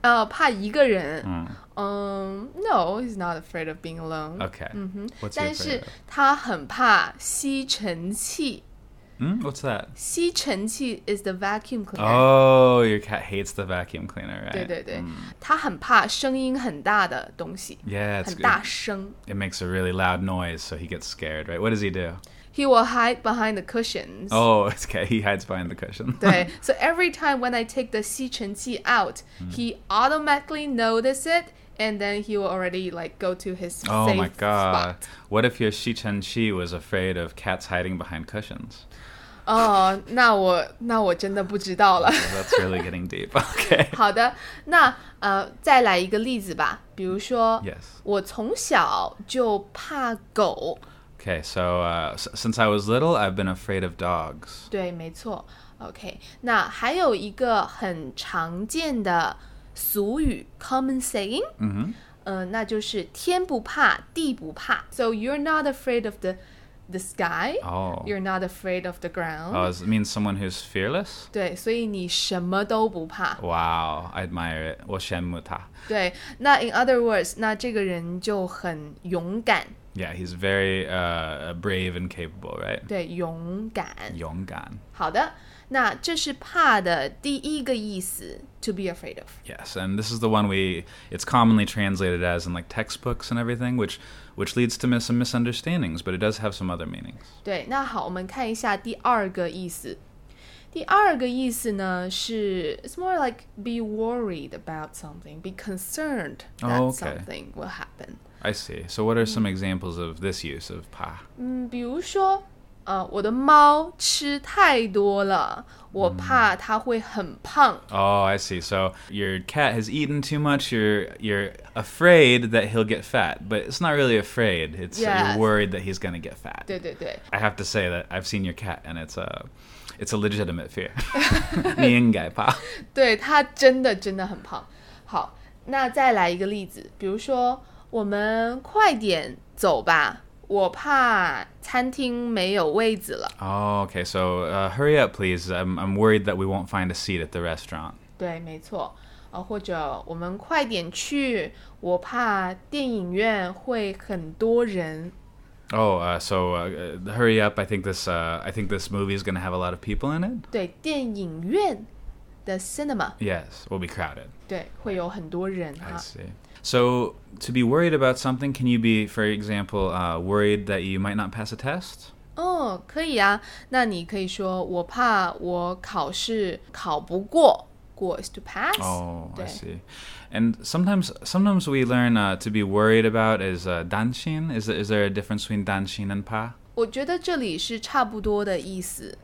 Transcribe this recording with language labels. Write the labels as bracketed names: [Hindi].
[English] 怕一个人。 No, he's not afraid of being alone. Okay. [Chinese] Mm-hmm. 但是他很怕吸尘器。 [English] What's that? 吸尘器 is the vacuum cleaner. Oh, your cat hates the vacuum cleaner, right? [Chinese] 对对对。他很怕声音很大的东西。 [English] Yeah, it's [Chinese] good. 很大声。 [English] It makes a really loud noise, so he gets scared, right? What does he do? He will hide behind the cushions. Oh, okay, he hides behind the cushion. 对, so every time when I take the 吸尘器 out, he automatically notices it, and then he will already, like, go to his safe spot. Oh my god. What if your 吸尘器 was afraid of cats hiding behind cushions? [Chinese] 那我真的不知道了。 [English] Yeah, that's really getting deep. Okay. [Chinese] 好的，那再来一个例子吧。比如说 [English] ，Yes， [Chinese] 我从小就怕狗。 [English] Okay, so since I was little, I've been afraid of dogs. [Chinese] 对，没错。Okay, 那还有一个很常见的俗语 ， common saying。那就是天不怕地不怕。 [English] So you're not afraid of the sky, you're not afraid of the ground. Oh, it means someone who's fearless? [Chinese] 对，所以你什么都不怕。 [English] Wow, I admire it. 我羡慕他。 [Chinese] 对，那 in other words, 那这个人就很勇敢。 [English] Yeah, he's very brave and capable, right? [Chinese] 对，勇敢。勇敢。好的，那这是怕的第一个意思 , to be afraid of. [English] Yes, and this is the one it's commonly translated as in like textbooks and everything, which leads to some misunderstandings, but it does have some other meanings. [Chinese] 对，那好，我们看一下第二个意思。 [English] 第二个意思呢是 it's more like be worried about something, be concerned something will happen. I see. So what are some examples of this use of 怕? [Chinese] 比如说我的猫吃太多了，我怕它会很胖。 [English] Oh, I see. So your cat has eaten too much. You're afraid that he'll get fat, but it's not really afraid. It's you're worried that he's going to get fat. [Chinese] 对对对。 [English] I have to say that I've seen your cat, and it's a legitimate fear. [Chinese] 你应该怕。对，它真的真的很胖。好，那再来一个例子，比如说我们快点走吧。我怕餐厅没有位子了。 [English] Oh, okay, so hurry up, please. I'm worried that we won't find a seat at the restaurant. [Chinese] 对，没错。或者我们快点去，我怕电影院会很多人。 [English] So hurry up. I think this movie is going to have a lot of people in it. [Chinese] 对, 电影院, the cinema. [English] Yes, will be crowded. [Chinese] 对, 会有很多人, [English] I see. So, to be worried about something, can you be, for example, worried that you might not pass a test? [Chinese] Oh, 可以啊, 那你可以说, 我怕我考试考不过, 过 is to pass. [English] Oh, 对. I see. And sometimes we learn to be worried about is 担心, is there a difference between 担心 and 怕? [Chinese] 我觉得这里是差不多的意思,